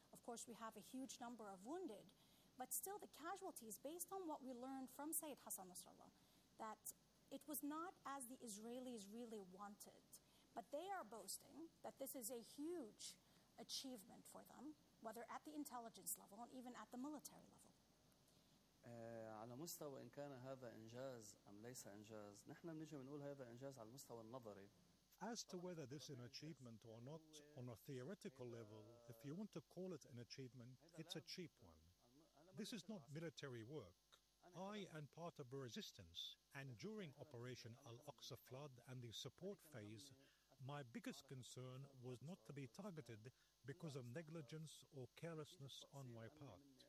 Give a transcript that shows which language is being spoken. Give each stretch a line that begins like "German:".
English: Of course, we have a huge number of wounded, but still the casualties, based on what we learned from Sayyid Hassan Nasrallah, that it was not as the Israelis really wanted. But they are boasting that this is a huge achievement for them, whether at the intelligence level and even at the military level.
Arabic: على مستوى إن كان هذا إنجاز أم ليس إنجاز نحن بنيجي بنقول هذا إنجاز على المستوى النظري.
English: As to whether this is an achievement or not, on a theoretical level, if you want to call it an achievement, it's a cheap one. This is not military work. I am part of the resistance, and during Operation Al-Aqsa Flood and the support phase, my biggest concern was not to be targeted because of negligence or carelessness on my part.